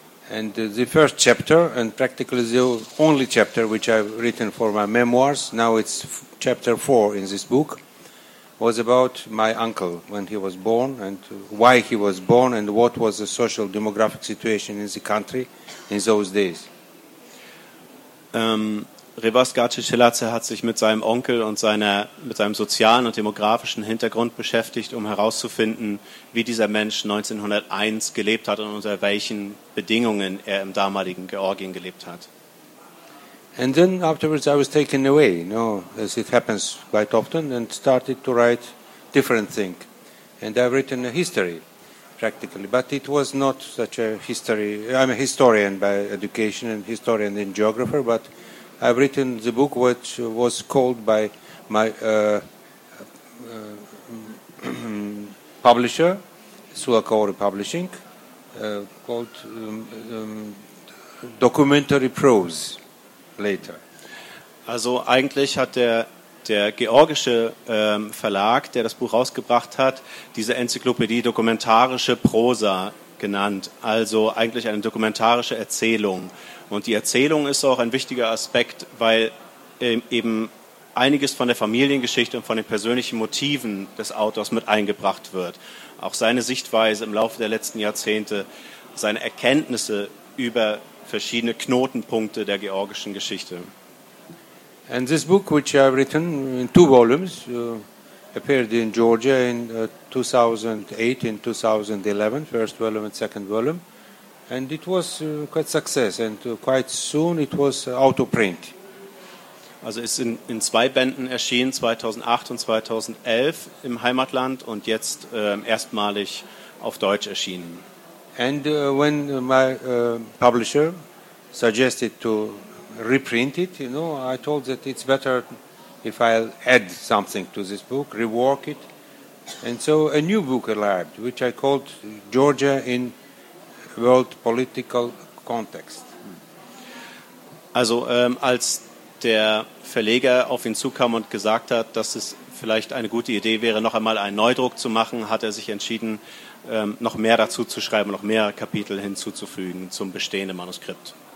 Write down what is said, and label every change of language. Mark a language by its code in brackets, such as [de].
[en] And the first chapter, and practically the only chapter which I've written for my memoirs, now it's chapter 4 in this book, was about my uncle, when he was born, and why he was born, and what was the social demographic situation in the country in those days. [de] Revaz Gacicelace hat sich mit seinem Onkel und mit seinem sozialen und demografischen Hintergrund beschäftigt, um herauszufinden, wie dieser Mensch 1901 gelebt hat und unter welchen Bedingungen er im damaligen Georgien gelebt hat. [en] And then afterwards I was taken away, you know, as it happens quite often, and started to write different thing. And I've written a history, practically, but it was not such a history. I'm a historian by education and historian and geographer, but I've written the book which was called by my publisher, Sulakori Publishing, called Documentary Prose later. [de] Also eigentlich hat der georgische Verlag, der das Buch rausgebracht hat, diese Enzyklopädie Dokumentarische Prosa genannt. Also eigentlich eine dokumentarische Erzählung. Und die Erzählung ist auch ein wichtiger Aspekt, weil eben einiges von der Familiengeschichte und von den persönlichen Motiven des Autors mit eingebracht wird. Auch seine Sichtweise im Laufe der letzten Jahrzehnte, seine Erkenntnisse über verschiedene Knotenpunkte der georgischen Geschichte. [en] And this book, which I've written in two volumes, appeared in Georgia in 2008 and 2011, first volume and second volume, and it was quite a success, and quite soon it was out-of-print. [de] Also ist in zwei Bänden erschienen, 2008 und 2011 im Heimatland und jetzt erstmalig auf Deutsch erschienen. [en] And when my publisher suggested to reprint it, you know, I told that it's better if I'll add something to this book, rework it. And so a new book arrived, which I called Georgia in World Political Context. [de] Also als der Verleger auf ihn zukam und gesagt hat, dass es vielleicht eine gute Idee wäre, noch einmal einen Neudruck zu machen, hat er sich entschieden, noch mehr dazu zu schreiben, noch mehr Kapitel hinzuzufügen zum bestehenden Manuskript.